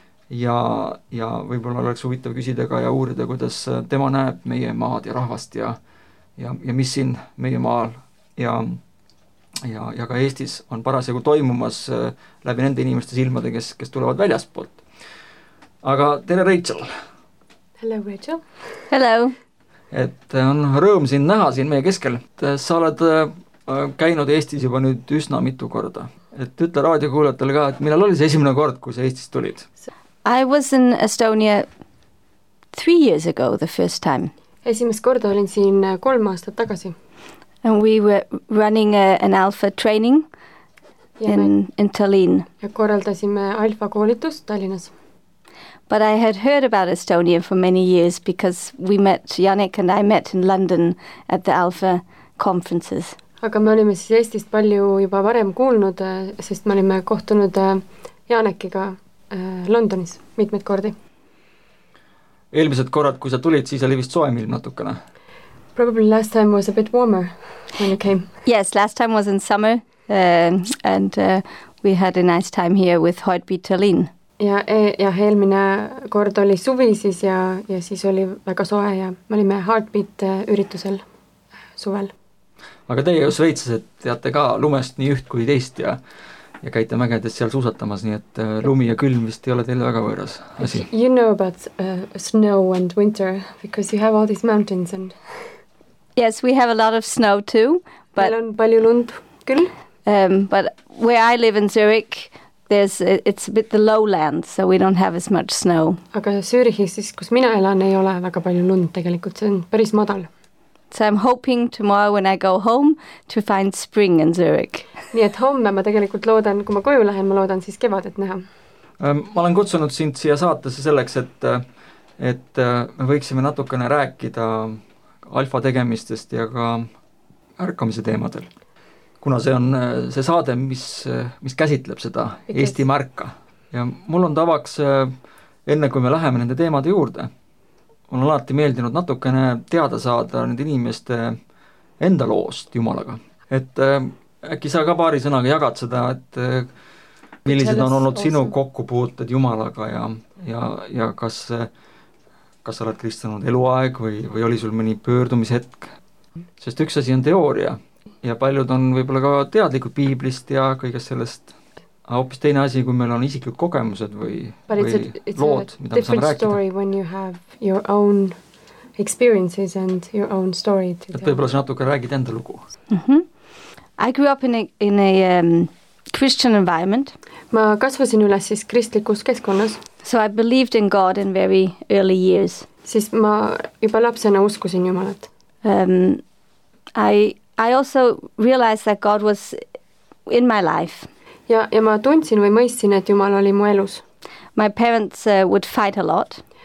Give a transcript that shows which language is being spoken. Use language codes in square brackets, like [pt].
[et] Ja võibolla oleks huvitav küsida ka ja uurida, kuidas tema näeb meie maad ja rahvast ja mis siin meie maal ja ka Eestis on parasjagu toimumas läbi nende inimeste silmade, kes tulevad väljaspoolt. Aga tere, Rachel! [en] Hello, Rachel! Hello! [et] Et on rõõm siin näha siin meie keskel. Sa oled käinud Eestis juba nüüd üsna mitu korda. Et ütle raadiokuulajatele ka, et millal oli see esimene kord, kui sa Eestis tulid? [en] I was in Estonia 3 years ago the first time. [et] Esimest korda olin siin 3 aastat tagasi. [en] And we were running an alpha training in Tallinn. [et] Ja korraldasime alfa koolitust Tallinnas. [en] But I had heard about Estonia for many years because we met, Janek and I met in London at the alpha conferences. [et] Aga me olime siis Eestist palju juba varem kuulnud, sest me olime kohtunud Janekiga Londonis mitmed kordi. Eelmised korrad, kui sa tulid, siis oli vist soojem ilm natukene. [en] Probably last time was a bit warmer when you came. Yes, last time was in summer and we had a nice time here with Heartbeat Tallinn. [et] Ja eelmine kord oli suvi siis ja siis oli väga soe ja me olime Heartbeat üritusel suvel. Aga teie ju sveitsased teate ka lumest nii üht kui teist ja käite mägedes seal suusatamas, nii et lumi ja külm vist ei ole teile väga võõras asi. [en] You know about snow and winter because you have all these mountains and... Yes, we have a lot of snow too, but... [et] Meil on palju lund küll. [en] But where I live in Zurich, it's a bit the lowland, so we don't have as much snow. [et] Aga Zürichis siis, kus mina elan, ei ole väga palju lund tegelikult, see on päris madal. [en] So I'm hoping tomorrow when I go home to find spring in Zurich. [et] Nii et homme ma tegelikult loodan, kui ma koju lähen, ma loodan siis kevadet näha. Ma olen kutsunud sind siia saatesse selleks, et me võiksime natukene rääkida alfa tegemistest ja ka ärkamise teemadel. Kuna see on see saade, mis käsitleb seda Eesti märka. Ja mul on tavaks, enne kui me läheme nende teemade juurde, on alati meeldinud natukene teada saada nende inimeste enda loost Jumalaga. Et äkki sa ka paari sõnaga jagad seda, et millised on olnud sinu kokkupuuted Jumalaga ja kas sa oled kristlanud eluaeg või oli sul mõni pöördumishetk? Sest üks asi on teooria. Ja paljud on võib-olla ka teadlikud piiblist ja kõigest sellest. Hoopis teine asi, kui meil on isiklik kogemused või lood, mida me saame rääkida. [en] Story when you have your own experiences and your own story. [et] Et võib-olla see natuke räägid enda lugu. [en] I grew up in a Christian environment. [et] Ma kasvasin üles siis kristlikus keskkonnas. [en] So I believed in God in very early years. [et] Siis ma juba lapsena uskusin Jumalat. [en] I also realized that God was in my life. [et] Ja ma tundsin või mõistsin, et Jumal oli mu elus. [en] My parents would fight a lot.